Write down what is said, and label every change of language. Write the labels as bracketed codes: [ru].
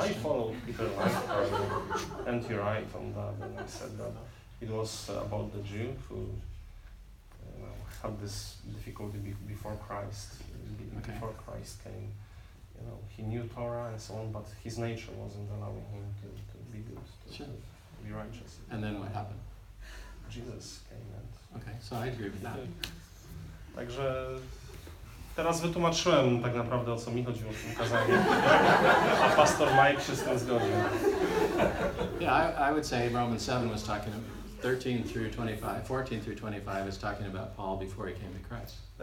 [en] I followed Peter and your eye from that, and I said that it was about the Jew who had this difficulty before Christ, okay. Before Christ came. You know, he knew Torah and so on, but his nature wasn't allowing him to be good, to be righteous. And then what happened? Jesus came and... Okay, so I agree with that. [pl] Także teraz wytłumaczyłem tak naprawdę, o co mi chodziło w tym kazaniu, a pastor Mike się z tym zgodził. [en] Yeah, I would say Romans 7 was talking about 14 through 25 is talking about Paul before he came to Christ.